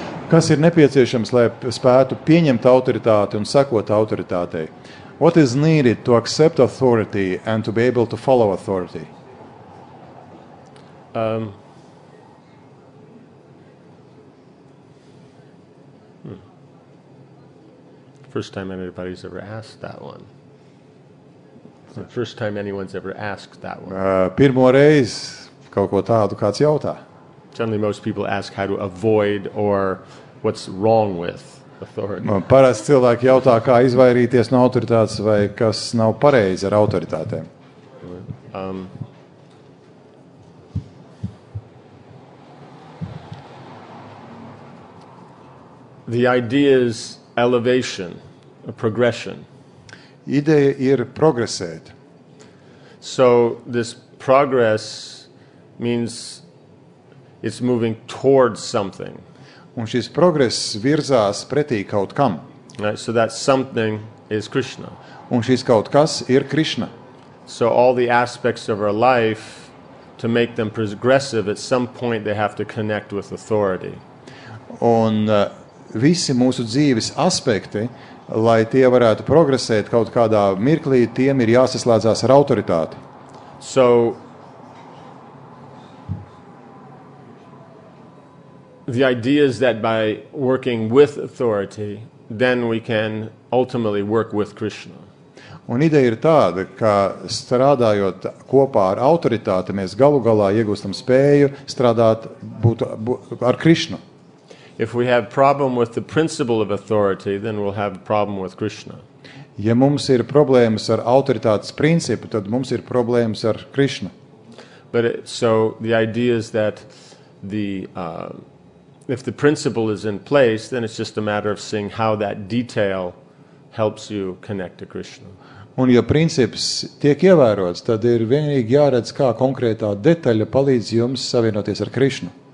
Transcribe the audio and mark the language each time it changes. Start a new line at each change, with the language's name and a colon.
Latvian: Kas ir nepieciešams, lai spētu pieņemt autoritāti un sekot autoritātei?
English: What is needed to accept authority and to be able to follow authority? First time anybody's ever asked that one. It's the first time anyone's ever asked that one.
Latvian: Pirmo reizi kaut ko tādu kāds jautā.
English: Generally most people ask how to avoid or what's wrong with.
Latvian: Parasti cilvēki jautā, kā izvairīties no autoritātes vai kas nav pareizi ar autoritātēm.
English: The idea is elevation, a progression.
Latvian: Ideja ir progresēt.
English: So this progress means it's moving towards something.
Latvian: Un šis progress virzās pretī kaut kam.
English: Right, so that something is Krishna.
Latvian: Un šis kaut kas ir Krishna.
English: So all the aspects of our life, to make them progressive, at some point they have to connect with authority.
Latvian: Un visi mūsu dzīves aspekti, lai tie varētu progresēt kaut kādā mirklī, tiem ir jāsaslēdzās ar autoritāti.
English: So, the idea is that by working with authority, then we can ultimately work with Krishna.
Latvian: Un ideja ir tāda, ka strādājot kopā ar autoritāti, mēs galu galā iegūstam spēju strādāt ar Krišnu.
English: If we have problem with the principle of authority, then we'll have problem with Krishna.
Latvian: Ja mums ir problēmas ar autoritātes principu, tad mums ir problēmas ar Krišnu.
English: But so the idea is that the if the principle is in place, then it's just a matter of seeing how that detail helps you connect to Krishna.
Latvian: Un ja princips tiek ievērots, tad ir vienīgi jāredz, kā konkrētā detaļa palīdz jums savienoties ar Krišnu.